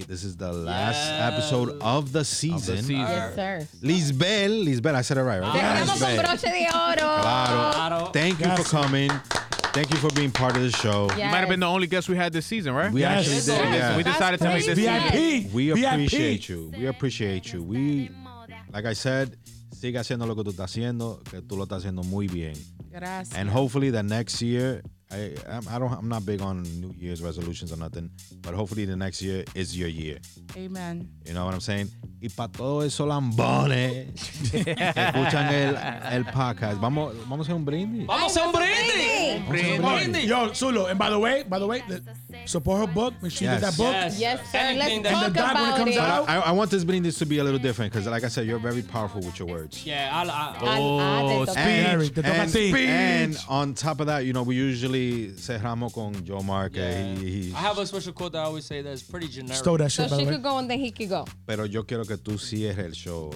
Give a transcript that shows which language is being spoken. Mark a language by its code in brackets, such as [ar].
[en] This is the last episode of the season. Lisbel, I said it right? Yes. Lisbel. Claro. Thank you for coming. Thank you for being part of the show. Yes. You might have been the only guest we had this season, right? We actually did. Yes. Yes. We decided to make this VIP. We appreciate you. We, like I said, [es] sigue haciendo lo que tú estás haciendo, que tú lo estás haciendo muy bien. Gracias. [en] And hopefully the next year, I'm not big on New Year's resolutions or nothing, but hopefully the next year is your year. Amen. You know what I'm saying? [es] Y para todos esos lambones que escuchan el podcast, vamos a hacer un brindis. ¡Vamos a hacer un brindis! [en] Yo, Zulo, and by the way, support her book. When she did that book. Yes, sir. Let's talk about it. I want this brindis to be a little different because, like I said, you're very powerful with your words. And on top of that, you know, we usually [es] cerramos con [en] Joe Mark. Yeah. I have a special quote that I always say that's pretty generic. Stole that shit, so she could go and then he could go. [es] Pero yo quiero que tú cierres el show.